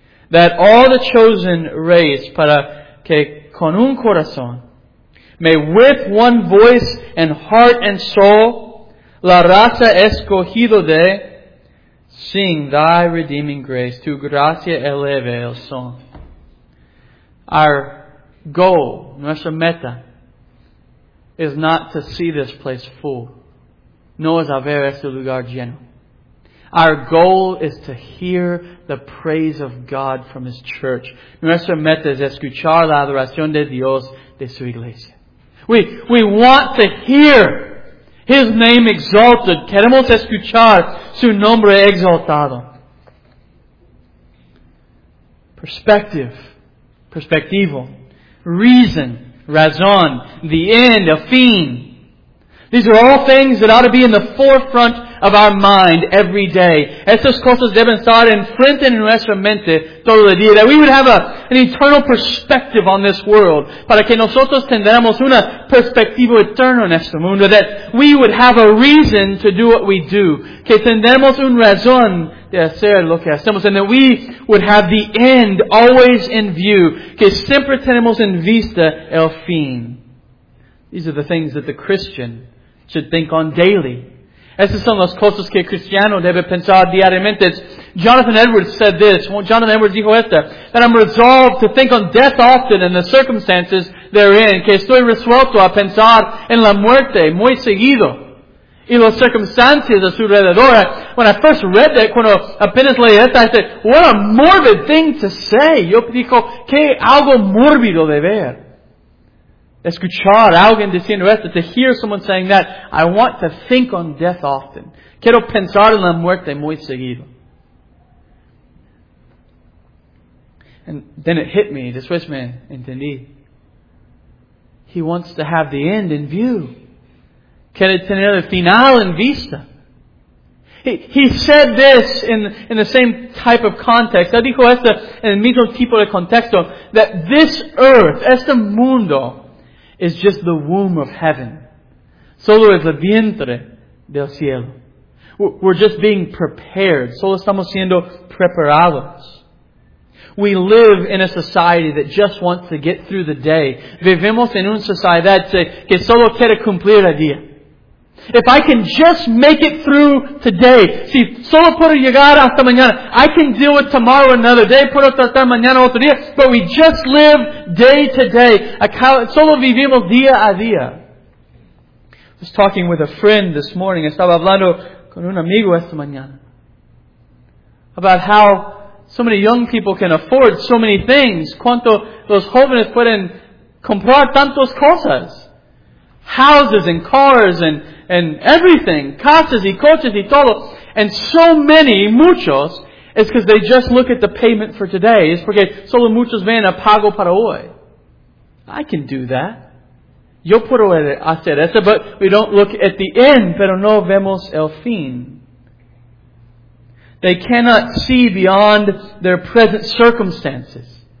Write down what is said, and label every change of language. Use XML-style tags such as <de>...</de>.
<en>That all the chosen race,</en> <es>para que con un corazón,</es> <en>may with one voice and heart and soul,</en> <es>la raza escogido de,</es> <en>sing thy redeeming grace,</en> <es>tu gracia eleve el son.</es> <en>Our goal,</en> <es>nuestra meta,</es> <en>is not to see this place full, nor is</en> <es>haber este lugar lleno.</es> <en>Our goal is to hear the praise of God from His church.</en> <es>Nuestra meta es escuchar la adoración de Dios de su iglesia.</es> <en>We want to hear His name exalted.</en> <es>Queremos escuchar su nombre exaltado.</es> <en>Perspectivo. Reason.</en> <es>Razón.</es> <en>The end.</en> <es>A fin.</es> <en>These are all things that ought to be in the forefront of our mind every day.</en> <es>Estas cosas deben estar en frente en nuestra mente todo el día.</es> <en>That we would have an eternal perspective on this world.</en> <es>Para que nosotros tendremos una perspectiva eterna en este mundo.</es> <en>That we would have a reason to do what we do.</en> <es>Que tendremos un razón de hacer lo que hacemos.</es> <en>And that we would have the end always in view.</en> <es>Que siempre tenemos en vista el fin.</es> <en>These are the things that the Christian should think on daily.</en> <es>Esas son las cosas que el cristiano debe pensar diariamente.</es> <en>Jonathan Edwards said this.</en> <es>Jonathan Edwards dijo esto.</es> <en>That I'm resolved to think on death often and the circumstances therein.</en> <es>Que estoy resuelto a pensar en la muerte muy seguido. Y las circunstancias a su alrededor.</es> <en>When I first read that,</en> <es>cuando apenas leí esto,</es> <en>I said, what a morbid thing to say.</en> <es>Yo dijo, que algo mórbido de ver. Escuchar a alguien diciendo esto,</es> <en>to hear someone saying that, I want to think on death often.</en> <es>Quiero pensar en la muerte muy seguido.</es> <en>And then it hit me,</en> <es>después me entendí.</es> <en>He wants to have the end in view.</en> <es>Quiere tener el final en vista.</es> <en>He said this in the same type of context.</en> <es>Él dijo esto en el mismo tipo de contexto,</es> <en>that this earth,</en> <es>este mundo,</es> <en>is just the womb of heaven.</en> <es>Solo es el vientre del cielo.</es> <en>We're just being prepared.</en> <es>Solo estamos siendo preparados.</es> <en>We live in a society that just wants to get through the day.</en> <es>Vivimos en una sociedad que solo quiere cumplir el día.</es> <en>If I can just make it through today,</en> <es>si solo puedo llegar hasta mañana,</es> <en>I can deal with tomorrow another day,</en> <es>puedo tratar mañana otro día,</es> <en>but we just live day to day.</en> <es>Solo vivimos día a día.</es> <en>I was talking with a friend this morning,</en> <es>estaba hablando con un amigo esta mañana,</es> <en>about how so many young people can afford so many things,</en> <es>cuánto los jóvenes pueden comprar tantas cosas,</es> <en>houses and cars and everything,</en> <es>casas y coches y todo.</es> <en>And so many, muchos, is because they just look at the payment for today.</en> <es>Es porque solo muchos ven a pago para hoy.</es> <en>I can do that.</en> <es>Yo puedo hacer eso,</es> <en>but we don't look at the end,</en> <es>pero no vemos el fin.</es> <en>They cannot see beyond their present circumstances.</en>